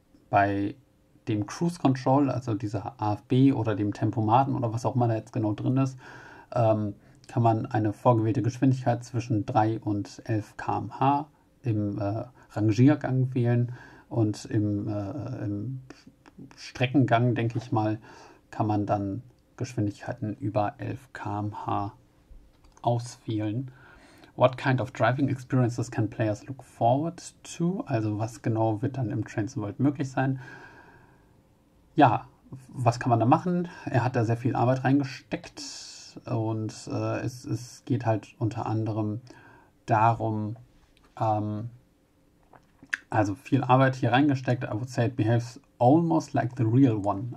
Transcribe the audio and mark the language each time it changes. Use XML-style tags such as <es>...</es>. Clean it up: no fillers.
<de>Bei dem Cruise Control, also dieser AFB oder dem Tempomaten oder was auch immer da jetzt genau drin ist, kann man eine vorgewählte Geschwindigkeit zwischen 3 und 11 km/h im Rangiergang wählen. Und im Streckengang, denke ich mal, kann man dann Geschwindigkeiten über 11 km/h auswählen.</de> <en>What kind of driving experiences can players look forward to?</en> <de>Also was genau wird dann im Transworld möglich sein? Ja, was kann man da machen? Er hat da sehr viel Arbeit reingesteckt. Und es geht halt unter anderem darum, also viel Arbeit hier reingesteckt,</de> <en>I would say it behaves almost like the real one.</en>